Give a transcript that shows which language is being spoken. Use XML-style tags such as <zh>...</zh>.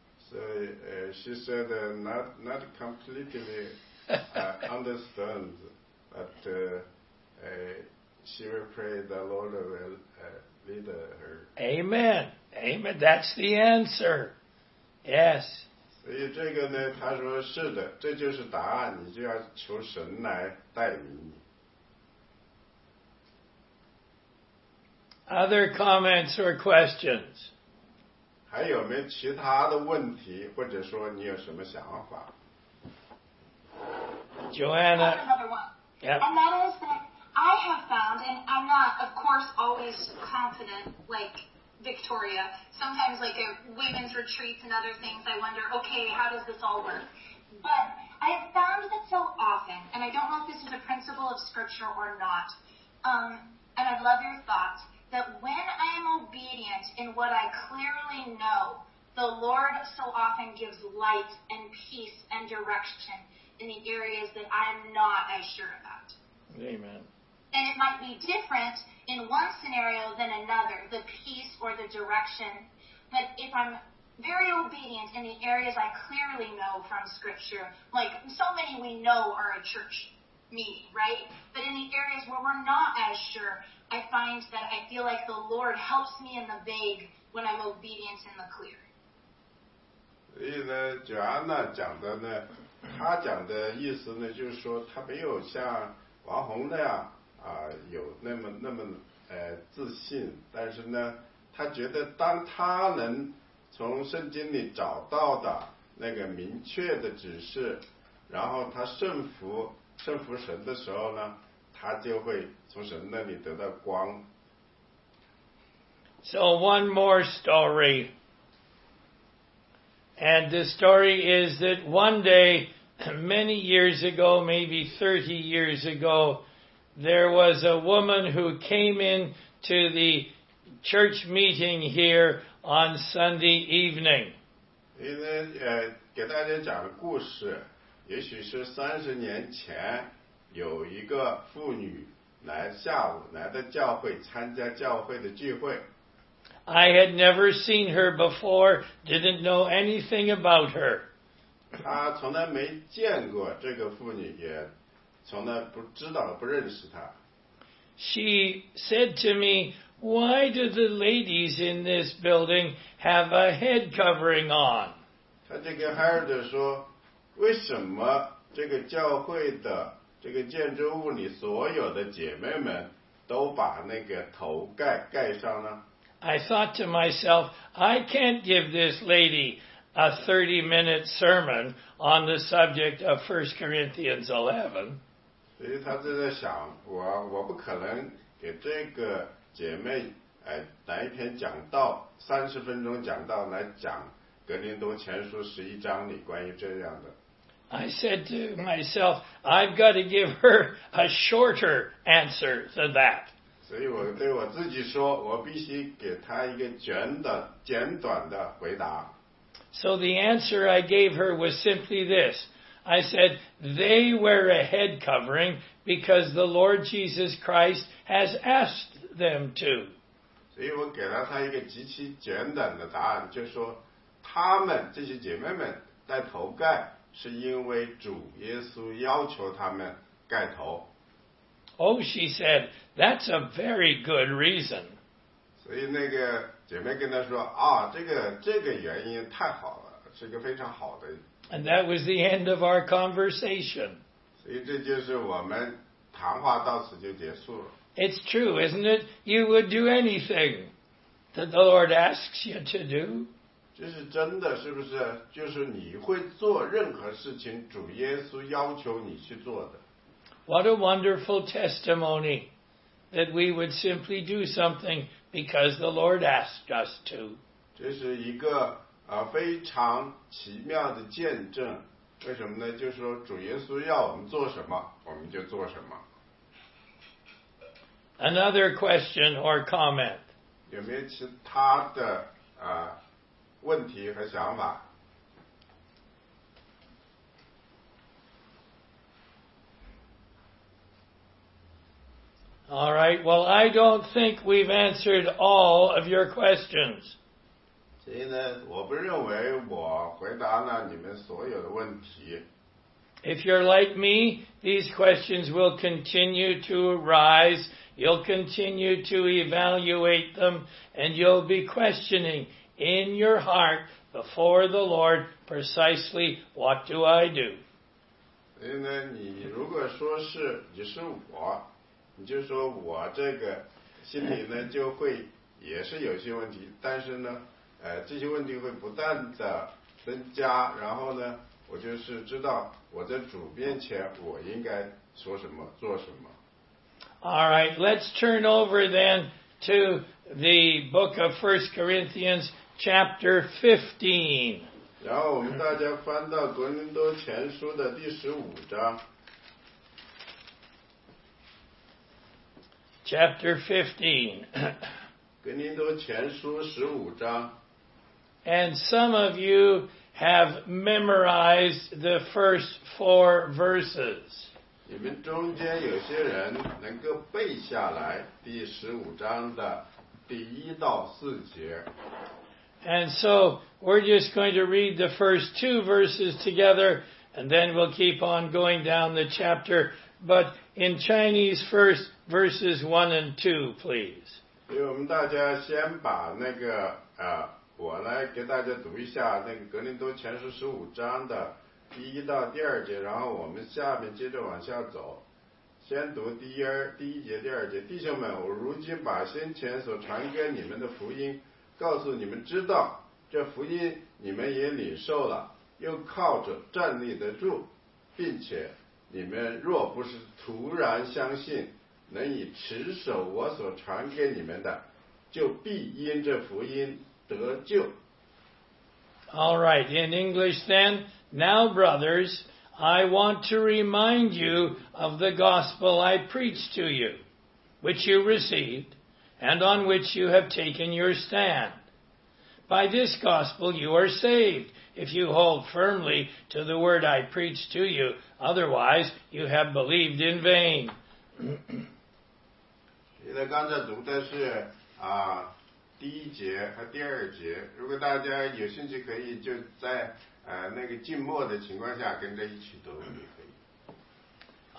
<en>So, she said not completely understand, but she will pray the Lord will lead her. Amen. Amen. That's the answer. Yes.</en> <zh>所以这个呢，他说是的，这就是答案，你就要求神来带领你。</zh> <en>Other comments or questions?</en> <zh>还有没有其他的问题，或者说你有什么想法</zh> <en>？Joanna, another one. Yep. And that is that I have found, and I'm not, of course, always confident, like. Victoria, sometimes like at women's retreats and other things, I wonder, okay, how does this all work? But I have found that so often, and I don't know if this is a principle of scripture or not, and I'd love your thoughts, that when I am obedient in what I clearly know, the Lord so often gives light and peace and direction in the areas that I'm not as sure about. Amen. And it might be different in one scenario than another, the peace or the direction. But if I'm very obedient in the areas I clearly know from Scripture, like so many we know are a church meeting, right? But in the areas where we're not as sure, I find that I feel like the Lord helps me in the vague when I'm obedient in the clear.</en> <zh>所以呢 ,Joanna 讲的呢她讲的意思呢就是说她没有像王红那样有那么自信，但是呢，他觉得当他能从圣经里找到的那个明确的指示，然后他顺服神的时候呢，他就会从神那里得到光。</zh> <en>So one more story, and the story is that one day, many years ago, maybe 30 years ago. There was a woman who came in to the church meeting here on Sunday evening.</en> <zh>因为给大家讲个故事，也许是30年前有一个妇女来下午来到教会参加教会的聚会。</zh> <en>I had never seen her before, didn't know anything about her.</en> <zh>她从来没见过这个妇女，也从来不知道不认识她。</zh> <en>She said to me, why do the ladies in this building have a head covering on?</en> <zh>她这个孩儿就说，为什么这个教会的这个建筑物里所有的姐妹们都把那个头盖盖上呢？</zh> <en>I thought to myself, I can't give this lady a 30-minute sermon on the subject of 1 Corinthians 11.</en> <zh>所以他就在想，我不可能给这个姐妹来一篇讲道，30分钟讲道来讲格林多前书11章里关于这样的。</zh> <en>I said to myself, I've got to give her a shorter answer than that.</en> <zh>所以我对我自己说，我必须给她一个简短的回答。</zh> <en>So the answer I gave her was simply this. I said, they wear a head covering because the Lord Jesus Christ has asked them to.</en> <zh>所以我给了她一个极其简短的答案，就说她们，这些姐妹们戴头盖是因为主耶稣要求他们盖头。</zh> <en>Oh, she said, that's a very good reason.</en> <zh>所以那个姐妹跟她说，这个原因太好了，是一个非常好的。</zh> <en>And that was the end of our conversation.</en> <zh>所以这就是我们谈话到此就结束了。</zh> <en>It's true, isn't it? You would do anything that the Lord asks you to do.</en> <zh>这是真的，是不是？就是你会做任何事情，主耶稣要求你去做的。</zh> <en>What a wonderful testimony that we would simply do something because the Lord asked us to.</en> <zh>这是一个非常奇妙的见证。为什么呢？就是说主耶稣要我们做什么，我们就做什么。</zh> <en>Another question or comment.</en> <zh>有没有其他的问题和想法？</zh> <en>All right, well, I don't think we've answered all of your questions.</en> <zh>所以呢，我不认为我回答了你们所有的问题。</zh> <en>If you're like me, these questions will continue to arise. You'll continue to evaluate them, and you'll be questioning in your heart before the Lord precisely, what do I do?</en> <zh>所以呢，你如果说是你是我，你就说我这个心里呢就会也是有些问题，但是呢这些问题会不断的增加，然后呢我就是知道我在主面前我应该说什么做什么。</zh> <en>All right, let's turn over then to the book of 1 Corinthians chapter 15.</en> <zh>然后我们大家翻到格林多前书的第十五章。</zh> <en>Chapter 15.</en> <zh>格林多前书十五章。</zh> <en>And some of you have memorized the first four verses.</en> <zh>你们中间有些人能够背下来第十五章的第一到四节。</zh> <en>And so we're just going to read the first two verses together, and then we'll keep on going down the chapter. But in Chinese first, verses 1 and 2, please.</en> <zh>所以我们大家先把那个我来给大家读一下那个格林多前书十五章的第一到第二节，然后我们下面接着往下走，先读第一节第二节。弟兄们，我如今把先前所传给你们的福音告诉你们知道，这福音你们也领受了，又靠着站立得住，并且你们若不是突然相信，能以持守我所传给你们的，就必因这福音得救。</zh> <en>All right, in English then, now brothers, I want to remind you of the gospel I preached to you, which you received, and on which you have taken your stand. By this gospel you are saved, if you hold firmly to the word I preached to you, otherwise you have believed in vain.</en> <zh>刚才读的是第一节和第二节，如果大家有兴趣可以就在那个静默的情况下跟着一起读也可以。</zh>